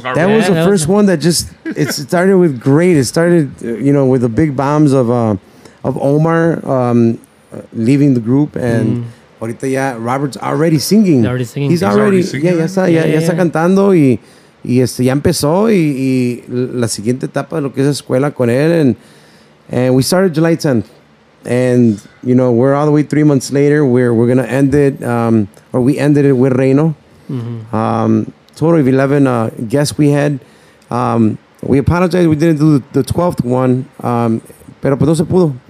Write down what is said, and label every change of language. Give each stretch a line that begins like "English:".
English: that was the first one that just, it started with great. It started, you know, with the big bombs of Omar leaving the group and... Mm.
Spanish: Ahorita ya
English: Robert's already singing. He's already singing.
Spanish: Ya está cantando y ya empezó y la siguiente etapa de lo que es escuela con él.
English: And we started July 10th. And, you know, we're all the way 3 months later. We're going to end it, or we ended it with Reino. Mm-hmm. Total of 11 guests we had. We apologize we didn't do the 12th one,
Spanish: pero pues no se pudo.